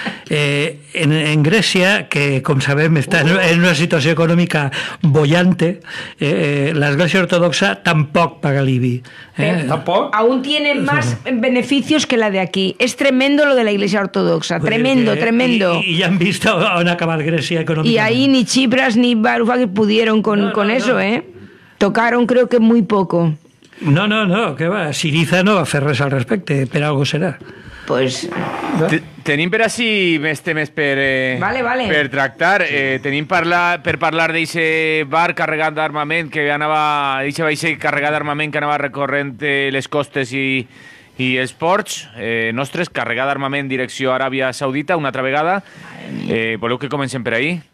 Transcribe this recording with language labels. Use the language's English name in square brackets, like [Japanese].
[Catalan] En Grècia, que com sabem està en una situació econòmica bollante, l'Església Ortodoxa tampoc paga l'IBI. ¿Tampoc? [Spanish] Aún tiene más beneficios que la de aquí. Es tremendo lo de la Iglesia Ortodoxa. Pues tremendo, tremendo. Y ya han visto [Catalan] on acabar Grècia econòmicament. [Spanish] Y ahí ni Tsipras ni Varoufakis pudieron con eso. Tocaron creo que muy poco. No, que va. [Catalan] Siriza no va a fer res al respecte, [Spanish] pero algo será. Pues... [Catalan] Tenim per així este mes per tractar. Sí. Tenim per parlar d'eixe bar carregat d'armament que anava... D'eixe vaixell carregat d'armament que anava recorrent les costes i els ports. Nostres, carregat d'armament direcció Aràbia Saudita, una altra vegada. Voleu que comencem per ahí?